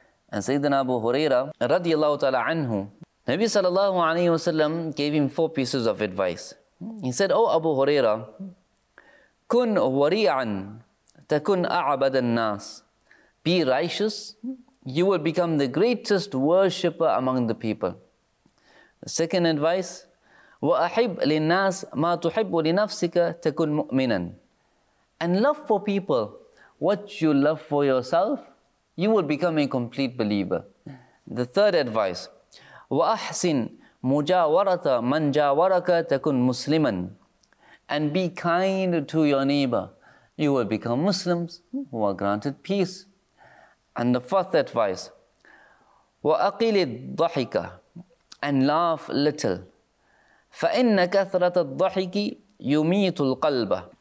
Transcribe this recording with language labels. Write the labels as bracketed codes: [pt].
[en] And Sayyidina Abu Huraira radiallahu ta'ala anhu, Nabi sallallahu alayhi wa sallam gave him 4 pieces of advice. He said, O Abu Huraira, [ar] كن وريعا تكون أعبد الناس. [en] Be righteous, you will become the greatest worshipper among the people. The second advice, [ar] وأحب للناس ما تحب لنفسك تكون مؤمنا. [en] And love for people what you love for yourself, you will become a complete believer. The third advice, [ar] وأحسن مجاورة من جاورك تكون مسلما. [en] And be kind to your neighbor. You will become Muslims who are granted peace. And the fourth advice, [ar] وَأَقِلِ الضَّحِكَ [en] and laugh little. [ar] فَإِنَّ كَثْرَةَ الضَّحِكِ يُمِيتُ الْقَلْبَ.